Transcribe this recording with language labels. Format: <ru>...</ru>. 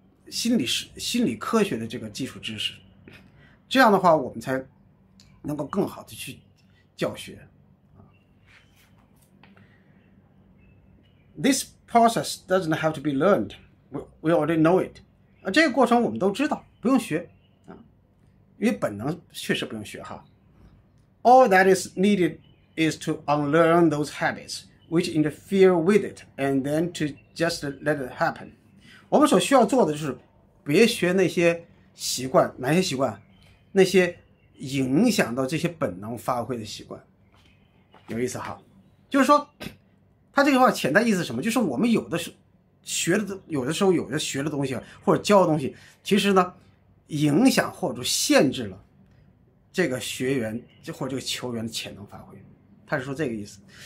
<zh>心理科学的这个基础知识，这样的话，我们才能够更好的去教学。</zh> <en>This process doesn't have to be learned. We already know it.</en> <zh>这个过程我们都知道，不用学因为本能确实不用学哈。</zh> <en>All that is needed is to unlearn those habits which interfere with it, and then to just let it happen.</en> <zh>我们所需要做的就是，别学那些习惯，哪些习惯？那些影响到这些本能发挥的习惯，有意思哈。就是说，他这句话潜在意思什么？就是我们有的是学的，有的时候有的学的东西或者教的东西，其实呢，影响或者限制了这个学员或者这个球员的潜能发挥。他是说这个意思。</zh>